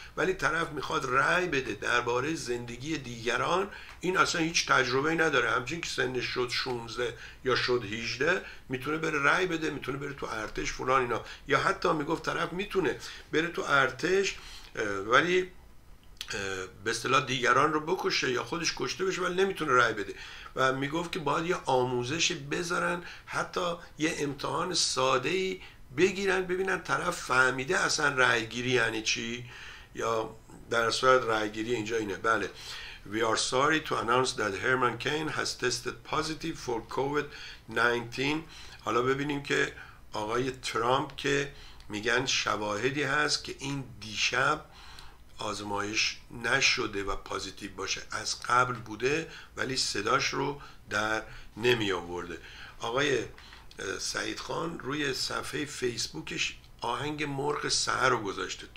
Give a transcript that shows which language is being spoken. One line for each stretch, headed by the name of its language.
Persian: ولی طرف میخواد رأی بده درباره زندگی دیگران، این اصلا هیچ تجربه نداره، همچنین که سنش شد 16 یا شد 18 میتونه بره رأی بده، میتونه بره تو ارتش فلان اینا، یا حتی میگفت طرف میتونه بره تو ارتش ولی به اصطلاح دیگران رو بکشه یا خودش کشته بشه ولی نمیتونه رأی بده. و میگفت که باید یه آموزش بذارن، حتی یه امتحان ساده‌ای بگیرن ببینن طرف فهمیده اصلا رأی گیری یعنی چی، یا در صورت رأی گیری اینجا اینه. بله
English: We are sorry to announce that Herman Cain has tested positive for COVID-19.
Persian: حالا ببینیم که آقای ترامپ که میگن شواهدی هست که این دیشب آزمایش نشده و پازیتیو باشه، از قبل بوده ولی صداش رو در نمی آورده. آقای سعید خان روی صفحه فیسبوکش آهنگ مرغ سحر رو گذاشته.